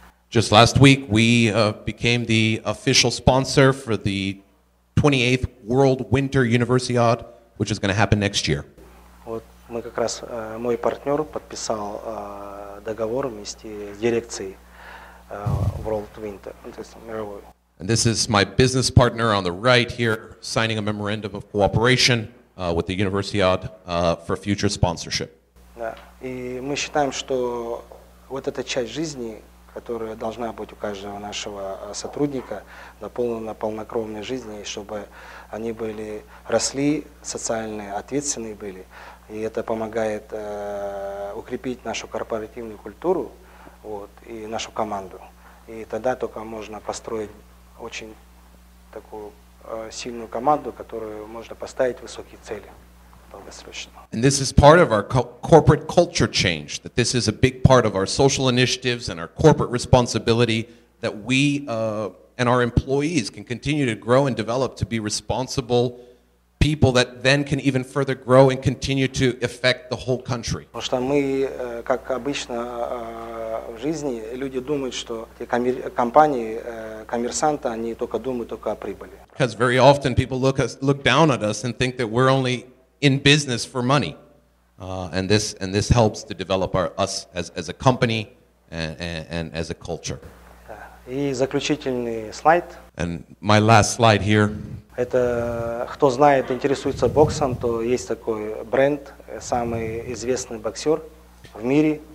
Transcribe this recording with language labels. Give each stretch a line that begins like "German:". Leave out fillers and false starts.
English: Just last week, we became the official sponsor for the 28th World Winter Universiade, which is going to happen next year.
Russian: Вот мы как раз мой партнер подписал. Договор вместе с дирекцией World Winter.
English: And this is my business partner on the right here signing a memorandum of cooperation with the Universiade for future sponsorship.
Russian: Да. И мы считаем, что вот эта часть жизни, которая должна быть у каждого нашего сотрудника, наполнена полнокровной жизнью, чтобы они были росли, социально ответственные были. И это помогает укрепить нашу корпоративную культуру, вот, и нашу команду. И тогда только можно построить очень такую сильную команду, которую можно поставить высокие цели долгосрочно.
English: And this is part of our corporate culture change, that this is a big part of our social initiatives and our corporate responsibility, that we and our employees can continue to grow and develop to be responsible people that then can even further grow and continue to affect the whole country.
Russian: Потому что мы, как обычно в жизни, люди думают, что те компании, коммерсанты, они только думают только о прибыли.
English: Because very often people look down at us and think that we're only in business for money. And this helps to develop us as a company and as a culture.
Russian: И заключительный слайд.
English: And my last slide here.
Russian: Это кто знает, интересуется боксом, то есть такой бренд, самый известный боксер в мире.